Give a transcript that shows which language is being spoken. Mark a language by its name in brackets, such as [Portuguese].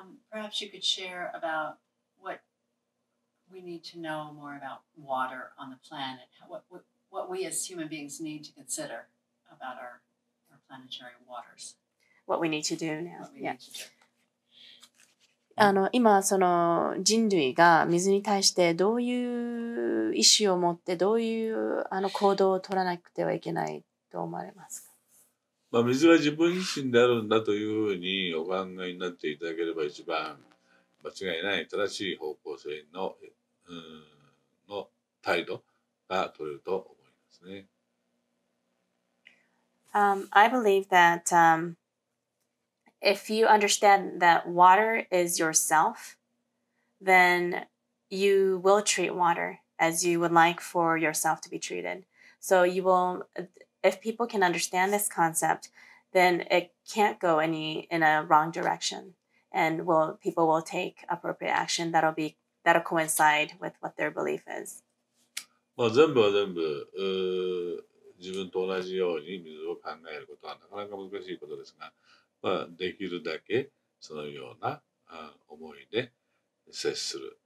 [English] Perhaps you could share about what... We need to know more about water on the planet. What we as human beings need to consider about our planetary waters. What we need to do now. What we need to do. [Japanese] あの今その人類が水に対してどういう意思を持ってどういうあの行動を取らなくてはいけないと思われますか。まあ、水は自分自身であるんだというふうにお考えになっていただければ一番間違いない正しい方向性 の、 うんの態度が取れると思いますね。 [English] I believe that if you understand that water is yourself, then you will treat water as you would like for yourself to be treated. So you will, if people can understand this concept, then it can't go any in a wrong direction, and will people will take appropriate action that'll be that'll coincide with what their belief is. [Japanese] まあ全部は全部、自分と同じように水を考えることはなかなか難しいことですが、まあ、できるだけそのような思いで接する。